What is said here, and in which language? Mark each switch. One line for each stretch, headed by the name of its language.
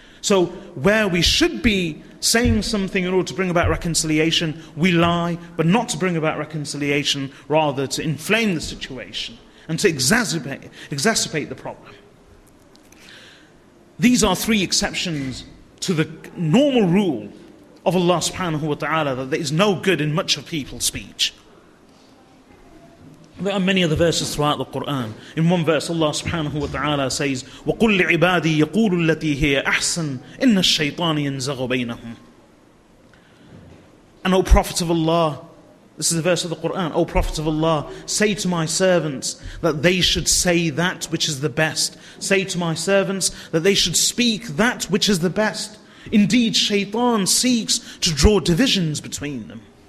English: So where we should be saying something in order to bring about reconciliation, we lie, but not to bring about reconciliation, rather to inflame the situation and to exacerbate the problem. These are three exceptions to the normal rule of Allah subhanahu wa ta'ala, that there is no good in much of people's speech. There are many other verses throughout the Quran. In one verse, Allah subhanahu wa ta'ala says,
Arabic: وَقُلْ لِعِبَادِي يَقُولُ الَّتِي هِيَ أَحْسَنُ إِنَّ الشَّيْطَانِ يَنْزَغُ بَيْنَهُمْ.
English: And O Prophet of Allah, this is a verse of the Quran, O Prophet of Allah, say to my servants that they should say that which is the best. Say to my servants that they should speak that which is the best. Indeed, shaitan seeks to draw divisions between them.